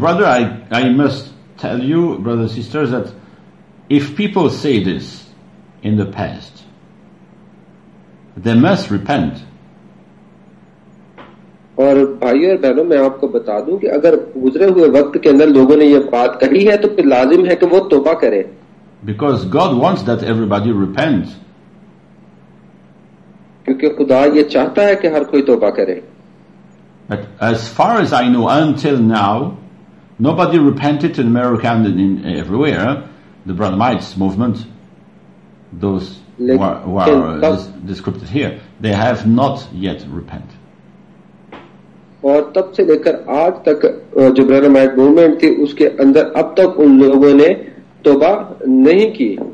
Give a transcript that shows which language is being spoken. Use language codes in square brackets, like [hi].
[en] Brother, I must tell you, brothers and sisters, that if people say this in the past, they must repent. [hi] और भाई और बहनों, मैं आपको बता दूं कि अगर गुजरे हुए वक्त के अंदर लोगों ने यह बात कही है तो फिर लाजिम है कि वो तौबा करें. [en] Because God wants that everybody repent. [hi] क्योंकि खुदा ये चाहता है कि हर कोई तौबा करे. [en] But as far as I know, until now, nobody repented in America and in everywhere. The Brother Mites movement, those who are described here, they have not yet repented. [hi] और तब से लेकर आज तक जो Brother Mites movement थी उसके अंदर अब तक उन लोगों ने तौबा नहीं की.